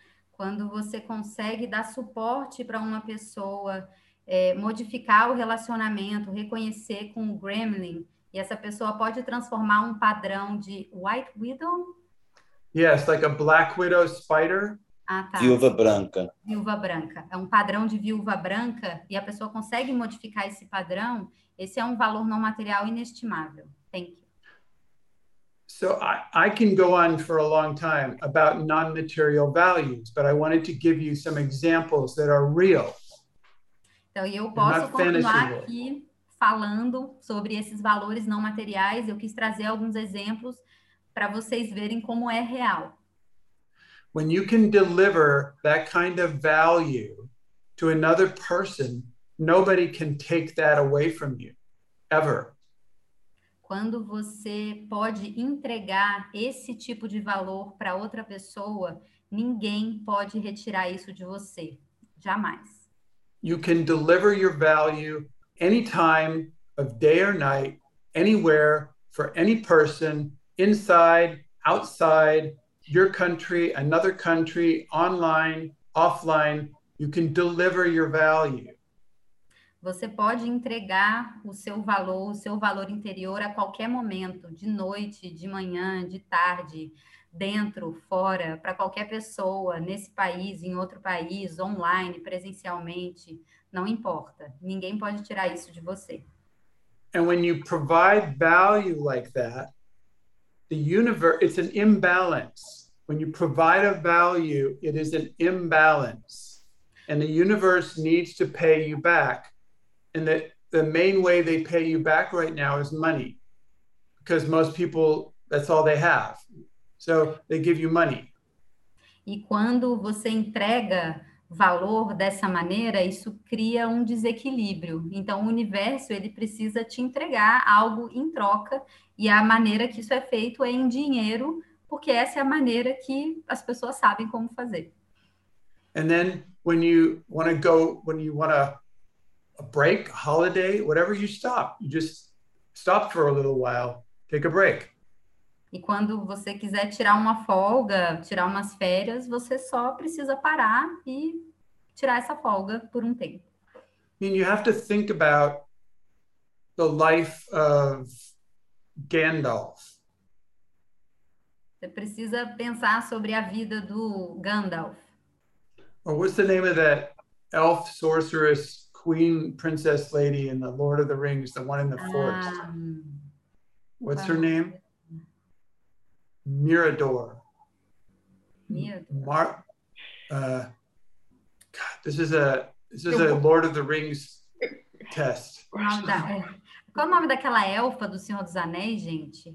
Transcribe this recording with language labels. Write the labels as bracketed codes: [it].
[pt] Quando você consegue dar suporte para uma pessoa, modificar o relacionamento, reconhecer com o gremlin, e essa pessoa pode transformar um padrão de white widow? [en] Yes, like a black widow spider. [pt] Ah, tá. Viúva branca. Viúva branca. É um padrão de viúva branca e a pessoa consegue modificar esse padrão. Esse é um valor não material inestimável. [en] Thank you. So I can go on for a long time about non-material values, but I wanted to give you some examples that are real. [pt] Então, eu posso continuar aqui falando sobre esses valores não materiais. Eu quis trazer alguns exemplos para vocês verem como é real. [en] When you can deliver that kind of value to another person, nobody can take that away from you, ever. [pt] Quando você pode entregar esse tipo de valor para outra pessoa, ninguém pode retirar isso de você, jamais. [en] You can deliver your value any time of day or night, anywhere, for any person, inside, outside, your country, another country, online, offline, you can deliver your value. [pt] Você pode entregar o seu valor interior a qualquer momento, de noite, de manhã, de tarde, dentro, fora, para qualquer pessoa, nesse país, em outro país, online, presencialmente, não importa. Ninguém pode tirar isso de você. [en] And when you provide value like that, the universe, it's an imbalance. When you provide a value, it is an imbalance. And the universe needs to pay you back. And the main way they pay you back right now is money. Because most people, that's all they have. So they give you money. [pt] E quando você entrega valor dessa maneira, isso cria um desequilíbrio. Então o universo, ele precisa te entregar algo em troca. E a maneira que isso é feito é em dinheiro, porque essa é a maneira que as pessoas sabem como fazer. [en] And then when you want to go, when you want a break, a holiday, whatever, you stop. You just stop for a little while, take a break. [pt] E quando você quiser tirar uma folga, tirar umas férias, você só precisa parar e tirar essa folga por um tempo. [en] I mean, you have to think about the life of Gandalf. [pt] Você precisa pensar sobre a vida do Gandalf. [en] Or what's the name of that elf sorceress queen princess lady in The Lord of the Rings, the one in the forest? What's her name? Mirador. Mirador. This is a Lord of the Rings test. [pt] Qual o nome daquela elfa do Senhor dos Anéis, gente?